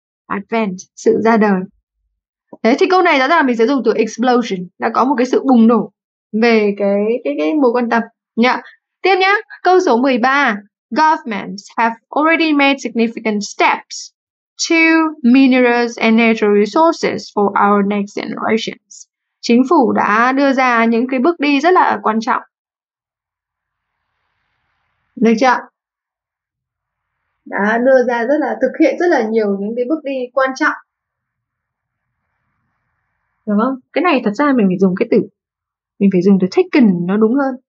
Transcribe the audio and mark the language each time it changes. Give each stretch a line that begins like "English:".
Vietnamese: Advent, sự ra đời. Thế thì câu này rõ ràng mình sẽ dùng từ explosion, đã có một cái sự bùng nổ về cái mối quan tâm. Yeah. Tiếp nhé, câu số 13.
English: Governments have already made significant steps to minerals and natural resources for our next generations.
Vietnamese: Chính phủ đã đưa ra những cái bước đi rất là quan trọng. Được chưa? Đã đưa ra rất là, thực hiện rất là nhiều những cái bước đi quan trọng. Đúng không? Cái này thật ra mình phải dùng cái từ, mình phải dùng từ taken nó đúng hơn.